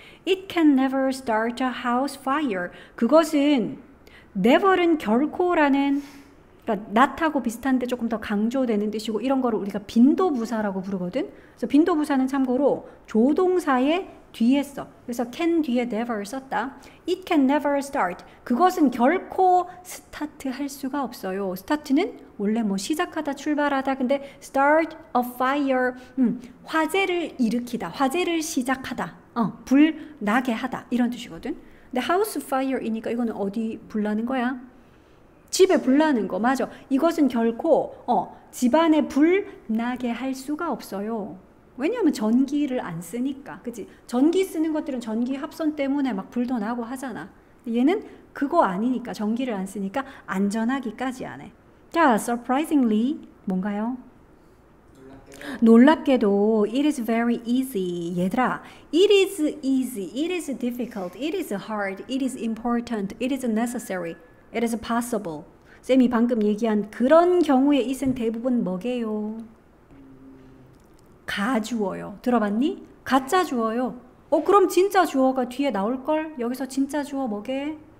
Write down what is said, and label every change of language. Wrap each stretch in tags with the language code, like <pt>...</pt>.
<en>it can never start a house fire.</en> <ko>그것은 never은 결코라는 그러니까 not하고 비슷한데 조금 더 강조되는 뜻이고 이런 거를 우리가 빈도부사라고 부르거든. 그래서 빈도부사는 참고로 조동사의 뒤에 써. 그래서 can 뒤에 never 썼다.</ko> <en>it can never start.</en> <ko>그것은 결코 start할 수가 없어요. start는 원래 뭐 시작하다 출발하다. 근데</ko> <en>start a fire.</en> <ko>화재를 일으키다. 화재를 시작하다. 불 나게 하다. 이런 뜻이거든. 근데 house fire이니까 이거는 어디 불 나는 거야? 집에 불 나는 거, 맞아. 이것은 결코 집안에 불 나게 할 수가 없어요. 왜냐하면 전기를 안 쓰니까, 그치? 전기 쓰는 것들은 전기 합선 때문에 막 불도 나고 하잖아. 얘는 그거 아니니까, 전기를 안 쓰니까 안전하기까지 안 해. 자, surprisingly, 뭔가요? 놀랍게도</ko> <en>it is very easy.</en> <ko>얘들아,</ko> <en>it is easy, it is difficult, it is hard, it is important, it is necessary. It is possible.</en> <ko>쌤이 방금 얘기한 그런 경우에 있은 대부분 뭐게요? 가주어요. 들어봤니? 가짜 주어요. 그럼 진짜 주어가 뒤에 나올걸? 여기서 진짜 주어 뭐게?</ko>